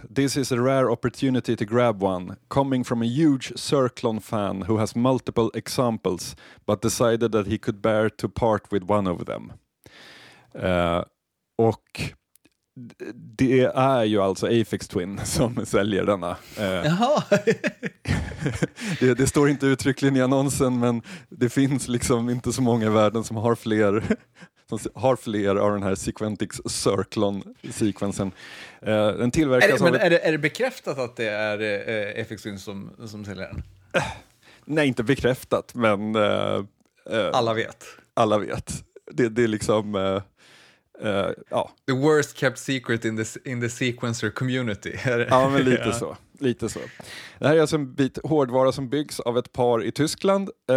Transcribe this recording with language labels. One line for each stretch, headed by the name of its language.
English: This is a rare opportunity to grab one. Coming from a huge Circlon fan who has multiple examples but decided that he could bear to part with one of them.
Swedish: Och det är ju alltså Aphex Twin som säljer denna. Jaha! Det står inte uttryckligen i annonsen, men det finns liksom inte så många i världen som har fler av den här Sequentix Circlon-sekvensen. Den tillverkas av... Är det bekräftat att det är Aphex Twin som säljer den? Nej, inte bekräftat, men... Alla vet. Alla vet. Det är liksom...
English: The worst kept secret in the sequencer community.
Swedish: Ja, men lite, ja. Lite så. Det här är alltså en bit hårdvara som byggs av ett par i Tyskland.